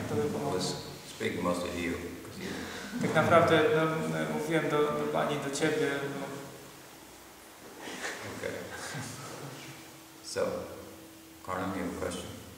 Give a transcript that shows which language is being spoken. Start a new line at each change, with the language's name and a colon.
English: I was speaking mostly to you.
Polish: Tak naprawdę, no, mówiłem do Pani, do Ciebie. No.
English: Okay. So, Karnam, you have a question?